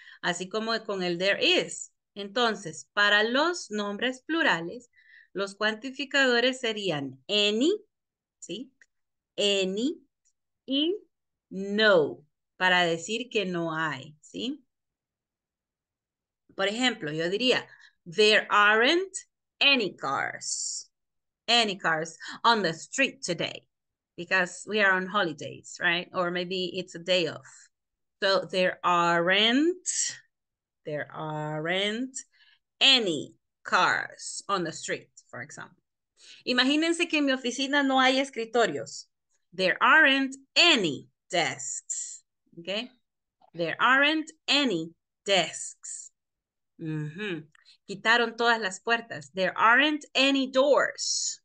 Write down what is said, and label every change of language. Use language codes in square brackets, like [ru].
[es] Así como con el there is. Entonces, para los nombres plurales, los cuantificadores serían any, ¿sí? Any y no, para decir que no hay, ¿sí? [en] Por ejemplo, yo diría, there aren't any cars on the street today, because we are on holidays, right? Or maybe it's a day off. So there aren't any cars on the street, for example. [es] Imagínense que en mi oficina no hay escritorios. [en] There aren't any desks, okay? There aren't any desks. Mm-hmm. [es] Quitaron todas las puertas. There aren't any doors.